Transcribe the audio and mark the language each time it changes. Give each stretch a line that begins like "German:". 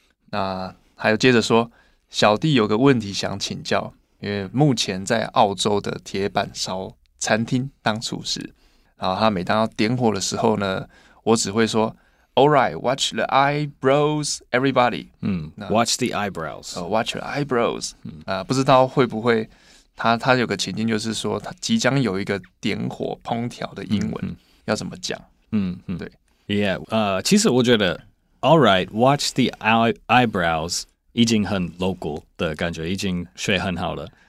Chinese: 那还有接着说，小弟有个问题想请教，因为目前在澳洲的铁板烧餐厅当厨师，然后他每当要点火的时候呢，我只会说 ，
English: All right, watch the eyebrows, everybody. Watch the eyebrows. Watch the eyebrows.
Chinese: 不知道会不会他有个情境，就是说他即将有一个点火烹调的英文要怎么讲？对，Yeah， 其实我觉得。
English: All right, watch the eyebrows.
Chinese: 已经很 local 的感觉，已经学很好了。